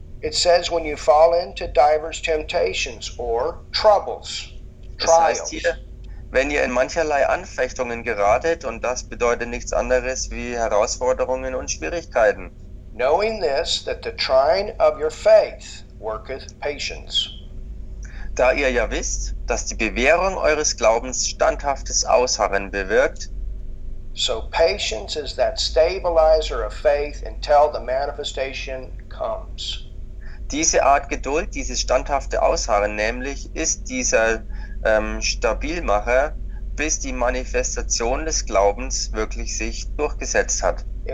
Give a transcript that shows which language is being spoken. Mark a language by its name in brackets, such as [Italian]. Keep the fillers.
[English] It says when you fall into diverse temptations or troubles, trials. [German] Das heißt hier, wenn ihr in mancherlei Anfechtungen geratet, und das bedeutet nichts anderes wie Herausforderungen und Schwierigkeiten. [English] Knowing this, that the trying of your faith worketh patience. [German] Da ihr ja wisst, dass die Bewährung eures Glaubens standhaftes Ausharren bewirkt. [English] So patience is that stabilizer of faith until the manifestation comes. [German] Diese Art Geduld, dieses standhafte Ausharren nämlich, ist dieser Stabilizer stabil mache, bis die Manifestation des Glaubens wirklich sich durchgesetzt hat.